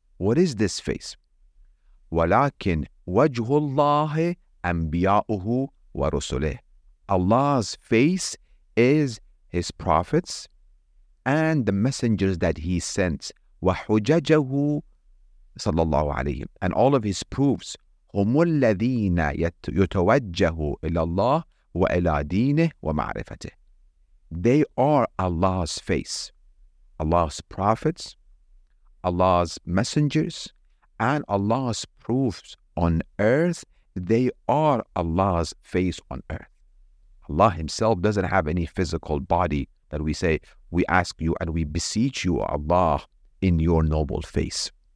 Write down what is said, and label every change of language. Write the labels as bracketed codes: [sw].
[en] What is this face? [ar] Walakin wajhullahi anbiya'uhu wa rusulih. [en] Allah's face is his prophets and the messengers that he sent. [ar] Wa hujajahu sallallahu alayhim, [en] and all of his proofs. [ar] هم الذين يتوجهوا إلى الله وإلى دينه ومعرفته. [en] They are Allah's face, Allah's prophets, Allah's messengers, and Allah's proofs on earth. They are Allah's face on earth. Allah himself doesn't have any physical body that we say, we ask you and we beseech you, Allah, in your noble face.